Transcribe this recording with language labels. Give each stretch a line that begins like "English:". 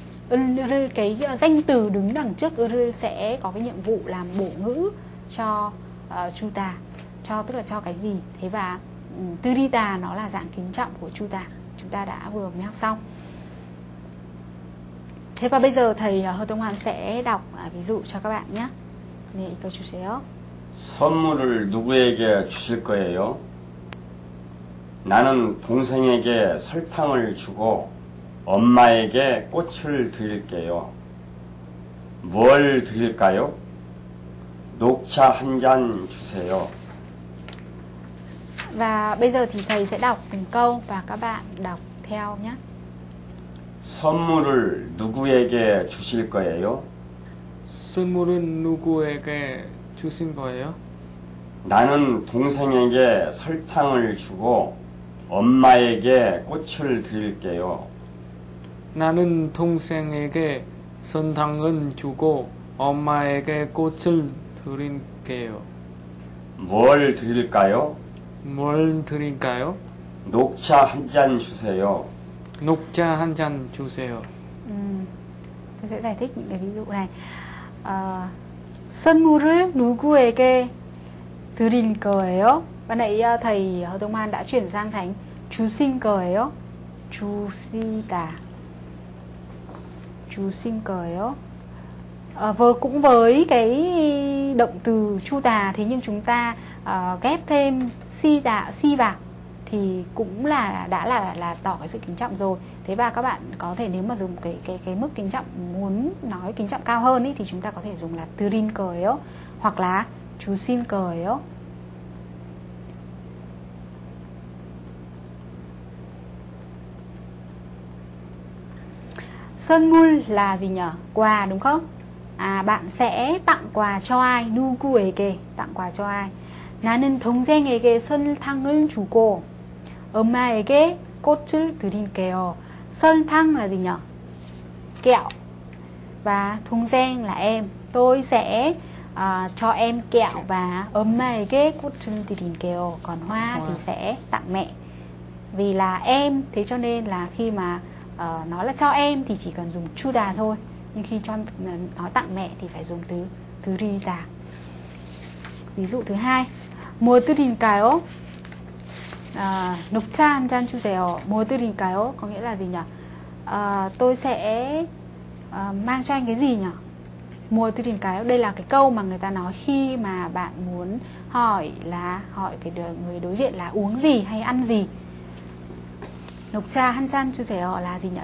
Vietnamese: 을 를 cái danh từ đứng đằng trước 을 를 sẽ có cái nhiệm vụ làm bổ ngữ cho 주다. Cho tức là cho cái gì. Thế và 드리다 nó là dạng kính trọng của 주다. Chúng ta đã vừa mới học xong. Thế và bây giờ thầy Hơ Tông Hoàng sẽ đọc ví dụ cho các bạn nhé.
Korean: 네, 이거 주세요. 선물을 누구에게 주실 거예요? 나는 동생에게 설탕을 주고 엄마에게 꽃을 드릴게요. 뭘 드릴까요? 녹차 한 잔 주세요.
Vietnamese: Và bây giờ thì thầy sẽ đọc từng câu và các bạn đọc theo nhé.
Korean: 선물을 누구에게 주실 거예요? 선물은 누구에게 주신 거예요? 나는 동생에게 설탕을 주고 엄마에게 꽃을 드릴게요. 나는 동생에게 설탕은 주고 엄마에게 꽃을 드릴게요. 뭘 드릴까요? 뭘 드릴까요? 녹차 한 잔 주세요. 녹차 한 잔 주세요.
Vietnamese: Tôi sẽ giải thích những cái ví dụ này.
Korean: 선물을 누구에게 드릴 거예요?
Vietnamese: Ban nãy thầy Hồ Tông Man đã chuyển sang thành
Korean: 주신 거예요. 주시다. 주신 거예요.
Vietnamese: Cũng với cái động từ 주다 thế nhưng chúng ta ghép thêm 시다, 시 vào thì cũng là đã là tỏ cái sự kính trọng rồi. Thế và các bạn có thể nếu mà dùng cái mức kính trọng muốn nói kính trọng cao hơn ấy thì chúng ta có thể dùng là
Korean: 드린 거예요
Vietnamese: hoặc là
Korean: 주신 거예요.
Vietnamese: Sơn mul là gì nhỉ? Quà đúng không? À, bạn sẽ tặng quà cho ai? 누구에게 tặng quà cho ai?
Korean: 나는 동생에게 선물을 주고 엄마에게 꽃을 드릴게요.
Vietnamese: 선탕 là gì nhỉ? Kẹo. Và 동생 là em. Tôi sẽ cho em kẹo và
Korean: 엄마에게 꽃을 드릴게요.
Vietnamese: Còn hoa thì sẽ tặng mẹ. Vì là em, thế cho nên là khi mà nói là cho em thì chỉ cần dùng 주다 thôi. Nhưng khi cho nói tặng mẹ thì phải dùng từ 드리다. Ví dụ thứ hai.
Korean: 뭐 드릴까요? 녹차 한 잔 주세요. 뭐 드릴까요?
Vietnamese: Có nghĩa là gì nhỉ? Tôi sẽ mang cho anh cái gì nhỉ?
Korean: 뭐 드릴까요?
Vietnamese: Đây là cái câu mà người ta nói khi mà bạn muốn hỏi là hỏi cái người đối diện là uống gì hay ăn gì.
Korean: 녹차 한 잔 주세요
Vietnamese: là gì nhỉ?